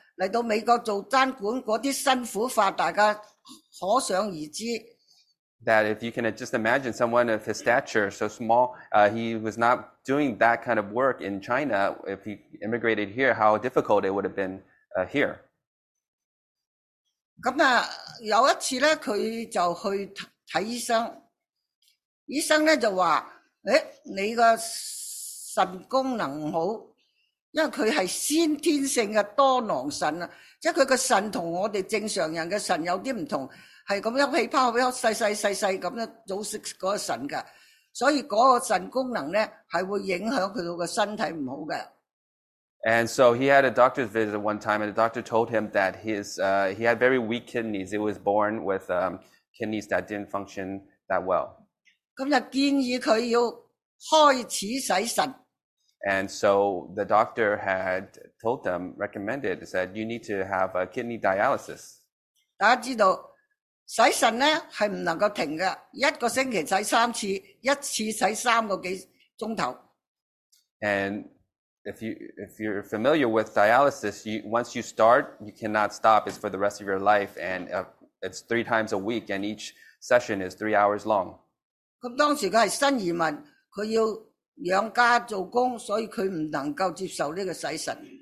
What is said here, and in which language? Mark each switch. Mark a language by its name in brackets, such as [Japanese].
[Cantonese] 来到美国做餐馆嗰啲辛苦法，大家可想而知。 [English] that if you can just imagine someone of his stature, so small, he was not doing that kind of work in China. If he immigrated here, how difficult it would have been here. [Cantonese] 咁啊，有一次咧，佢就去睇医生。医生咧就话：，诶，你个肾功能唔好，因为佢系先天性嘅多囊肾啊，即系佢个肾同我哋正常人嘅肾有啲唔同，系咁一起泡咗细细细细咁样组成嗰个肾噶，所以嗰个肾功能咧系会影响佢个身体唔好嘅。 [English] And so he had a doctor's visit one time, and the doctor told him that he had very weak kidneys. He was born with kidneys that didn't function that well. [Cantonese] 咁就建议佢要开始洗肾。 [English] And so the doctor had told them, recommended, said you need to have a kidney dialysis. [Cantonese] 大家知道洗肾咧系唔能够停嘅，一个星期洗三次，一次洗三个几钟头。 [English] And If you're familiar with dialysis, once you start, you cannot stop. It's for the rest of your life, and it's three times a week, and each session is 3 hours long. [Cantonese] 咁當時佢係新移民，佢要養家做工，所以佢唔能夠接受呢個洗腎。